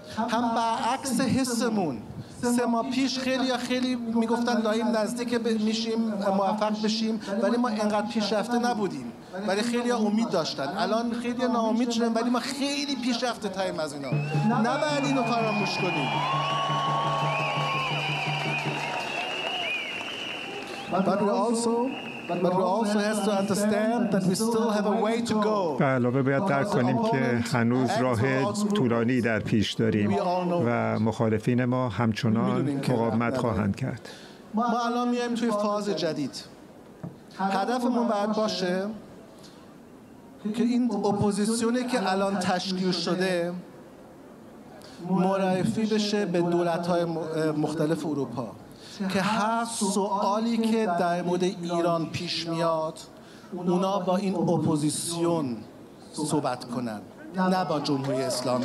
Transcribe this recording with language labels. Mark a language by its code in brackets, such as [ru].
[fa] هم برعکس حسمون، سه ماه پیش خیلی میگفتن داریم نزدیک میشیم موفق بشیم، ولی ما انقدر پیشرفته نبودیم، ولی خیلی ها امید داشتن. الان خیلی ها ناامید شدن، ولی ما خیلی پیشرفته تاییم از اینا. نباید اینو فراموش کنیم. [en] But we also have to understand that we still have a way to go. [fa] علاوه باید درک کنیم که هنوز راه طولانی در پیش داریم و مخالفین ما همچنان مقاومت خواهند کرد. ما الان میایم توی فاز جدید. هدفمون باید باشه که این اپوزیسیونی که الان تشکیل شده معرفی بشه به دولت‌های مختلف اروپا که هر سوالی که در مورد ایران پیش میاد اونا با این اپوزیسیون صحبت کنن نه با جمهوری اسلامی.